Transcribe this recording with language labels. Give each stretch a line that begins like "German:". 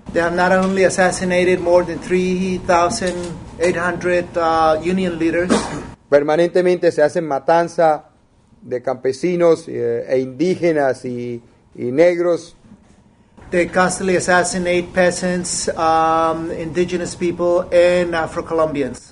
English: They have not only assassinated more than 3,800 union leaders.
Spanish: Permanentemente se hacen matanza de campesinos e indígenas y negros.
English: They constantly assassinate peasants, indigenous people, and Afro-Colombians.